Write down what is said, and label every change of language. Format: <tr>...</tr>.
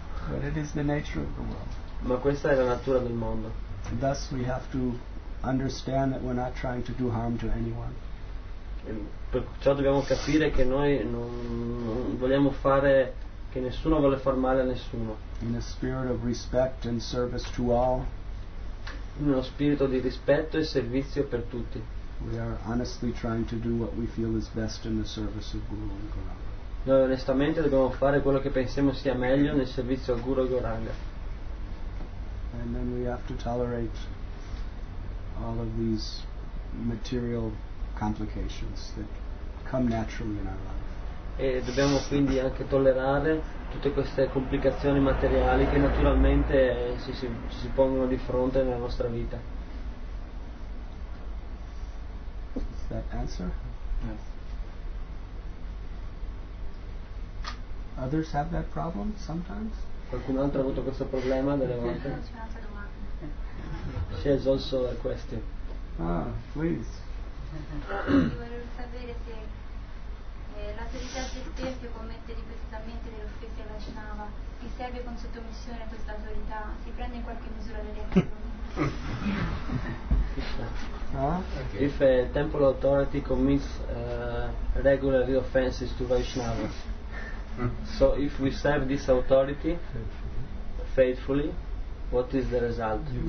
<en>But it is the nature of the world.</en> <it>Ma questa è la natura del mondo.</it> <en>Thus we have to understand that we're not trying to do harm to anyone.</en> <it>Perciò dobbiamo capire che noi non vogliamo fare che nessuno vuole far male a nessuno.</it> <en>In a spirit of respect and service to all.</en> <it>In uno spirito di rispetto e servizio per tutti.</it> <en>We are honestly trying to do what we feel is best in the service of Guru and Gauranga.</en> <it>Noi onestamente dobbiamo fare quello che pensiamo sia meglio nel servizio a Guru e Gauranga.</it> <en>And then we have to tolerate all of these material complications that come naturally in our life.</en> <it>E dobbiamo quindi anche tollerare tutte queste complicazioni materiali che naturalmente si pongono di fronte nella nostra vita.</it> <en>Is that answer? Yes. Others have that problem sometimes?</en> <it>Qualcun altro ha avuto questo problema delle volte? C'è un'altra domanda.</it> <en>She has also a question. Ah, please.</en> <it>Volevo sapere se l'autorità del tempio può mettere ripetutamente delle offese alla Vaishnava. Chi serve con sottomissione a questa autorità si prende in qualche misura delle azioni.</it> <en>Okay. If a temple authority commits regular offenses to Vaishnava, so if we serve this authority faithfully, what is the result?</en>